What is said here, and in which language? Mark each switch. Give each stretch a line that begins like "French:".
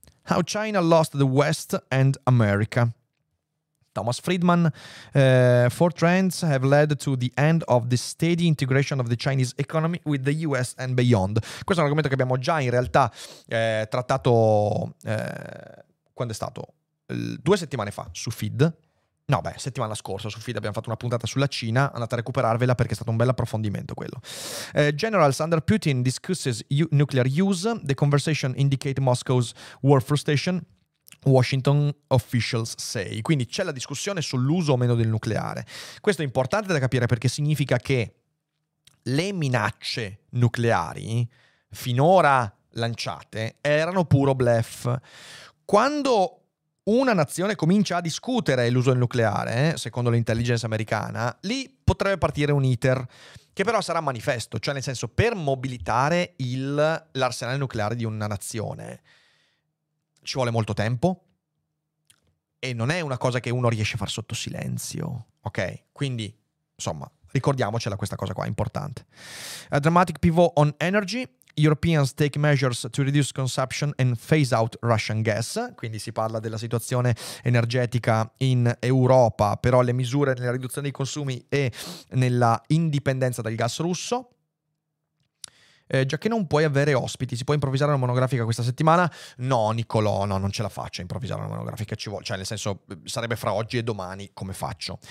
English: How China lost the West and America. Thomas Friedman. Four trends have led to the end of the steady integration of the Chinese economy with the US and beyond.
Italian: Questo è un argomento che abbiamo già in realtà trattato quando è stato? Due settimane fa su Feed. No, beh, settimana scorsa su Feed abbiamo fatto una puntata sulla Cina, andate a recuperarvela perché è stato un bel approfondimento quello.
English: General Vladimir Putin discusses nuclear use, the conversation indicate Moscow's war frustration, Washington officials say.
Italian: Quindi c'è la discussione sull'uso o meno del nucleare. Questo è importante da capire perché significa che le minacce nucleari finora lanciate erano puro bluff. Quando una nazione comincia a discutere l'uso del nucleare, secondo l'intelligence americana, lì potrebbe partire un iter, che però sarà manifesto, cioè nel senso, per mobilitare l'arsenale nucleare di una nazione ci vuole molto tempo e non è una cosa che uno riesce a far sotto silenzio, ok? Quindi, insomma, ricordiamocela questa cosa qua, importante.
English: A dramatic pivot on energy. Europeans take measures to reduce consumption and phase out Russian gas.
Italian: Quindi si parla della situazione energetica in Europa, però le misure nella riduzione dei consumi e nella indipendenza dal gas russo. Già che non puoi avere ospiti, si può improvvisare una monografica questa settimana? No, Nicolò, no, non ce la faccio a improvvisare una monografica, ci vuole, cioè nel senso, sarebbe fra oggi e domani, come faccio?